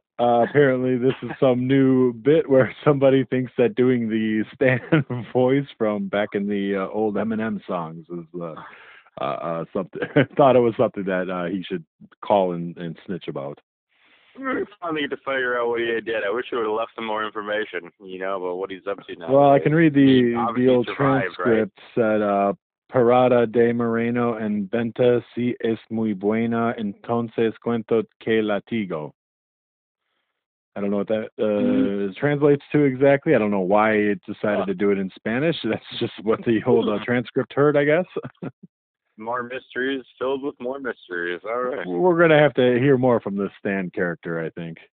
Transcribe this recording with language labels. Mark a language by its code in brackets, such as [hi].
[en] Apparently, this is some new bit where somebody thinks that doing the Stan voice from back in the old Eminem songs is something. Thought it was something that he should call and snitch about. I finally get to figure out what he did. I wish he would have left some more information, you know, about what he's up to now. Well, I can read the old transcript, right? [es] Said, Parada de Moreno en venta si es muy buena, entonces cuento que latigo. [en] I don't know what that translates to exactly. I don't know why it decided to do it in Spanish. That's just what the whole transcript heard, I guess. More mysteries filled with more mysteries. All right. We're going to have to hear more from the Stan character, I think.